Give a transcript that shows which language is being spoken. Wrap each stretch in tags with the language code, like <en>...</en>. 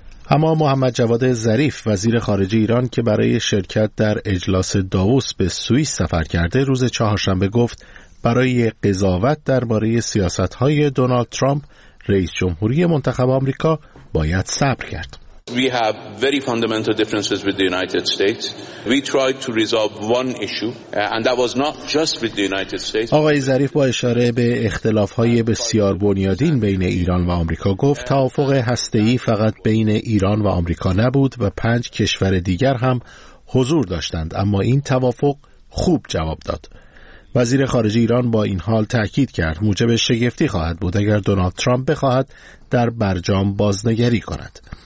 <fa>اما محمد جواد ظریف وزیر خارجه ایران که برای شرکت در اجلاس داووس به سوئیس سفر کرده، روز چهارشنبه گفت برای قضاوت درباره سیاست‌های دونالد ترامپ رئیس جمهوری منتخب آمریکا باید صبر کرد.</fa> <en>We have very fundamental differences with the United States. We tried to resolve one issue and that was not just with the United States.</en> <fa>آقای ظریف با اشاره به اختلاف‌های بسیار بنیادین بین ایران و آمریکا گفت توافق هسته‌ای فقط بین ایران و آمریکا نبود و 5 کشور دیگر هم حضور داشتند، اما این توافق خوب جواب داد. وزیر خارجه ایران با این حال تأکید کرد موجب شگفتی خواهد بود اگر دونالد ترامپ بخواهد در برجام بازنگری کند.</fa>